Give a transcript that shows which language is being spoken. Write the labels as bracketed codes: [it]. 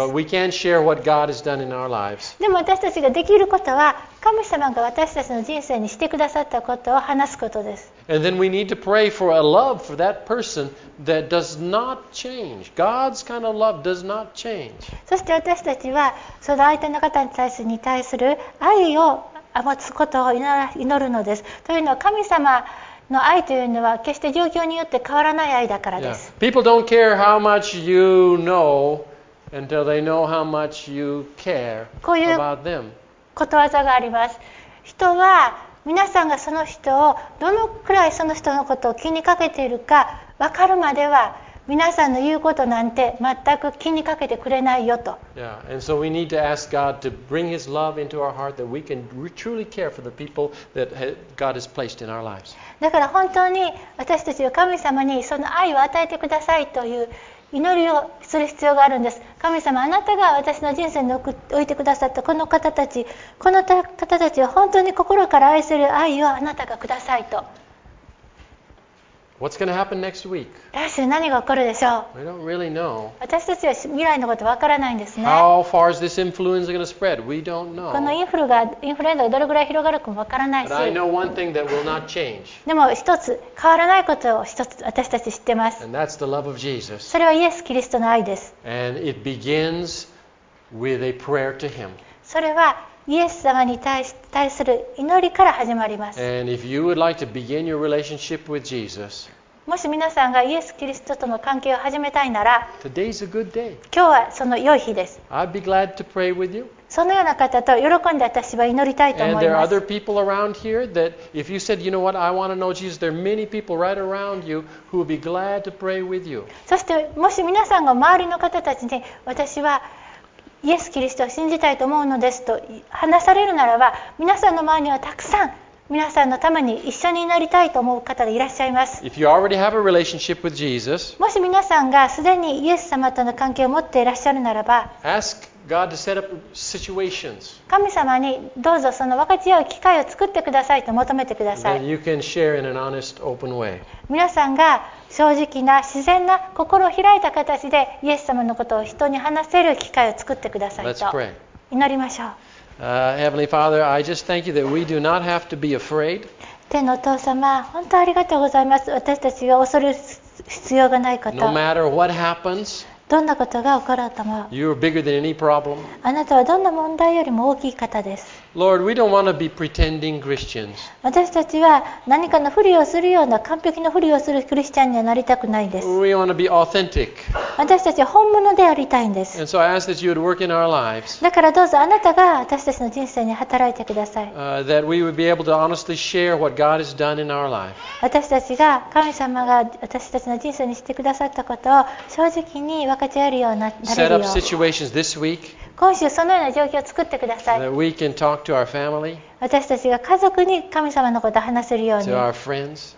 [en] But we can share what God has done in our lives. [ja] でも私たちができることは、神様が私たちの人生にしてくださったことを話すことです。 [en] And then we need to pray for a love for that person that does not change. God's kind of love does not change. [ja] そして私たちはその相手の方に対する愛を持つことを祈るのです。というのは、神様の愛というのは決して状況によって変わらない愛だからです。 [en] People don't care how much you know until they know how much you care about them. [ja] こういうことわざがあります。人は皆さんがその人をどのくらいその人のことを気にかけているか分かるまでは皆さんの言うことなんて全く気にかけてくれないよと。 [en] Yeah, and so we need to ask God to bring His love into our heart that we can truly care for the people that God has placed in our lives. [ja] だから本当に私たちは神様にその愛を与えてくださいという祈りをする必要があるんです。神様、あなたが私の人生に置いてくださったこの方たち、この方たちは本当に心から愛する愛をあなたがくださいと。 [en] What's going to happen next week? [ja] 来週何が起こるでしょう? [en] We don't really know. [ja] 私たちは未来のことわからないんですね。 [en] How far is this influenza going to spread? We don't know. [ja] このインフルエンザがどれぐらい広がるかもわからないし。 [en] But I know one thing that will not change. [ja] でも一つ変わらないことを一つ私たち知ってます。 [en] And that's the love of Jesus. [ja] それはイエス・キリストの愛です。 [en] And it begins with a prayer to Him. [ja] それはイエス様に対する祈りから始まります。 [en] Like、Jesus, [ja] もし皆さんがイエス・キリストとの関係を始めたいなら、 [en] Today's a good day. [ja] 今日はその良い日です。 [en] I'd be glad to pray with you. [ja] そのような方と喜んで私は祈りたいと思います。 [en] And there are other people around here that if you said, you know what, I want to know Jesus, there are many people right around you who would be glad to pray with you. [ja] そしてもし皆さんが周りの方たちに私はイエス・キリストを信じたいと思うのですと話されるならば皆さんの前にはたくさん皆さんのために一緒になりたいと思う方がいらっしゃいます。 [en] If you already have a relationship with Jesus, [ja] もし皆さんがすでにイエス様との関係を持っていらっしゃるならば [en] Ask God to set up situations. [ja] 神様にどうぞその分かち合う機会を作ってくださいと求めてください。 [en] Then you can share in an honest, open way. [ja] 皆さんが正直な自然な心を開いた形でイエス様のことを人に話せる機会を作ってくださいと。 [en] Let's pray. [ja] 祈りましょう。 [en] Heavenly Father, I just thank you that we do not have to be afraid. [ja] 天のお父様、本当ありがとうございます。私たちが恐れる必要がないこと。 [en] No matter what happens, [ja] どんなことが起ころうとも [en] You're bigger than any problem. [ja] あなたはどんな問題よりも大きい方です。 [en] Lord, we don't want to be pretending Christians. [ja] 私たちは何かのふりをするような完璧なふりをするクリスチャンにはなりたくないです。 [en] We want to be authentic. [ja] 私たちは本物でありたいんです。 [en] And so I ask that you would work in our lives. [ja] だからどうぞあなたが私たちの人生に働いてください。 [en] That we would be able to honestly share what God has done in our life. [ja] 私たちが神様が私たちの人生にしてくださったことを正直に分かち合えるようになれるよう今週そのような状況を作ってください。 [en] That we can talk to our family, [ja] 私たちが家族に神様のことを話せるように [en] to our friends,